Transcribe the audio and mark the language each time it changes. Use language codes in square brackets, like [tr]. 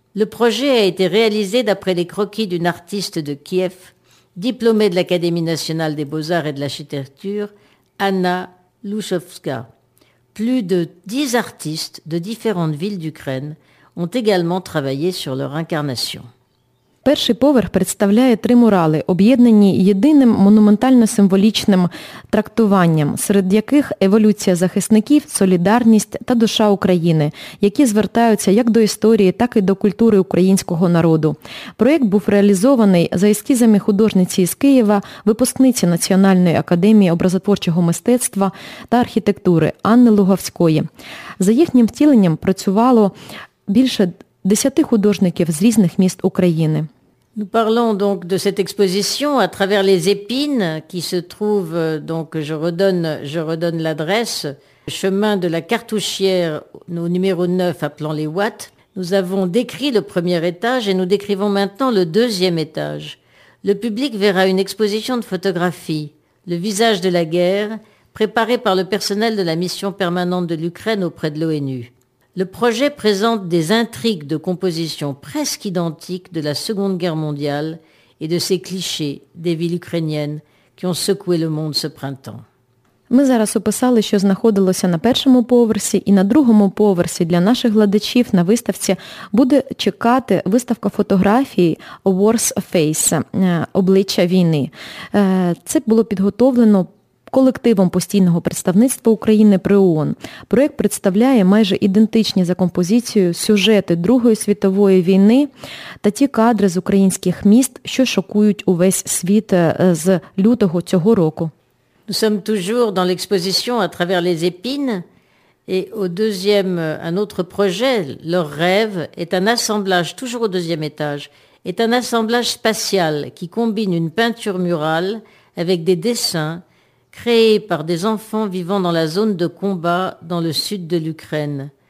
[fr] Le projet a été réalisé d'après les croquis d'une artiste de Kiev, diplômée de l'Académie nationale des beaux-arts et de l'architecture, Anna Lushovska. Plus de 10 artistes de différentes villes d'Ukraine ont également travaillé sur leur incarnation. [uk] Перший поверх представляє три мурали, об'єднані єдиним монументально-символічним трактуванням, серед яких еволюція захисників, солідарність та душа України, які звертаються як до історії, так і до культури українського народу. Проєкт був реалізований за ескізами художниці із Києва, випускниці Національної академії образотворчого мистецтва та архітектури Анни Луговської. За їхнім втіленням працювало більше 10 художників з різних міст України. [fr] Nous parlons donc de cette exposition à travers les épines qui se trouve, donc je redonne l'adresse, chemin de la Cartouchière au numéro 9 à Plan-les-Ouates. Nous avons décrit le premier étage et nous décrivons maintenant le deuxième étage. Le public verra une exposition de photographies, le visage de la guerre, préparée par le personnel de la mission permanente de l'Ukraine auprès de l'ONU. Le projet présente des intrigues de composition presque identiques de la Seconde Guerre mondiale et de ces clichés des villes ukrainiennes qui ont secoué le monde ce printemps. [uk] Ми зараз описали, що знаходилося на першому поверсі, і на другому поверсі для наших глядачів на виставці буде чекати виставка фотографії «Wars Face» – «Обличчя війни». Це було підготовлено колективом постійного представництва України при ООН. Проєкт представляє майже ідентичні за композицією сюжети Другої світової війни та ті кадри з українських міст, що шокують увесь світ з лютого цього року. [fr] Nous sommes toujours dans l'exposition à travers les épines et au deuxième un autre projet, leur rêve est un assemblage toujours au deuxième étage, est un assemblage spatial qui combine une peinture murale avec des dessins créé par des enfants vivant dans la zone de combat dans le sud de l'Ukraine.